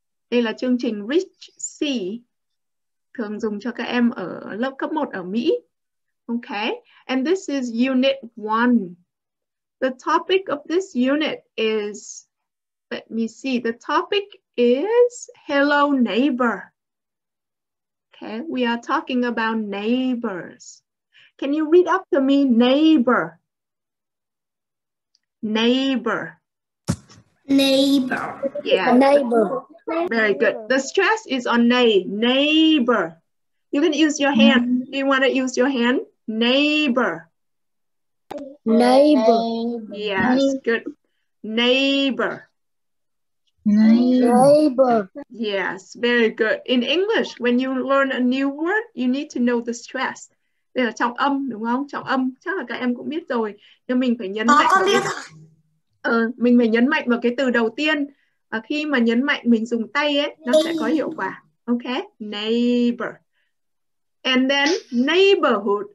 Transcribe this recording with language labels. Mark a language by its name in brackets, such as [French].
[Vietnamese] Đây là chương trình Rich Sea, thường dùng cho các em ở lớp cấp 1 ở Mỹ. [English] Okay, and this is Unit 1. The topic of this unit is, let me see, the topic is Hello Neighbor. Okay, we are talking about neighbors. Can you read up to me, neighbor? Neighbor. Neighbor. Yeah. Neighbor. Very good. The stress is on nay. Neighbor. You can use your hand. Do you want to use your hand? Neighbor. Neighbor. Yes, good. Neighbor. Neighbor. Yes, very good. In English, when you learn a new word, you need to know the stress. [Vietnamese] Đây là trọng âm, đúng không? Trọng âm, chắc là các em cũng biết rồi. Nhưng mình phải nhấn mạnh. Mình phải nhấn mạnh vào cái từ đầu tiên. Khi mà nhấn mạnh mình dùng tay ấy, nó sẽ có hiệu quả. [English] Okay, neighbor. And then neighborhood.